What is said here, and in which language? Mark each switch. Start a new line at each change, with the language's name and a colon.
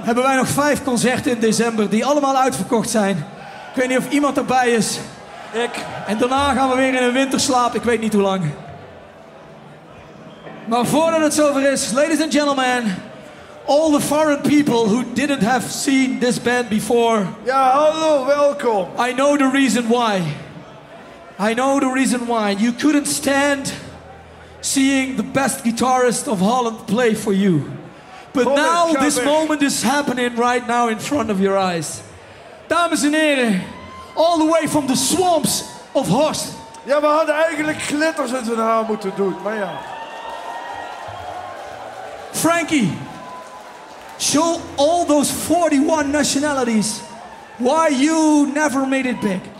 Dutch: hebben wij nog 5 concerten in december die allemaal uitverkocht zijn. Ik weet niet of iemand erbij is. Ik. En daarna gaan we weer in een winterslaap, ik weet niet hoe lang. Maar voordat het zover is,
English: ladies and gentlemen, all the foreign people who didn't have seen this band before.
Dutch: Ja, hallo, welkom.
English: I know the reason why. I know the reason why. You couldn't stand seeing the best guitarist of Holland play for you. But now this moment is happening right now in front of your eyes.
Dutch: Dames en heren,
English: all the way from the swamps of Horst.
Dutch: Ja, we hadden eigenlijk glitters in zijn haar moeten doen, maar ja.
English: Frankie, show all those 41 nationalities why you never made it big.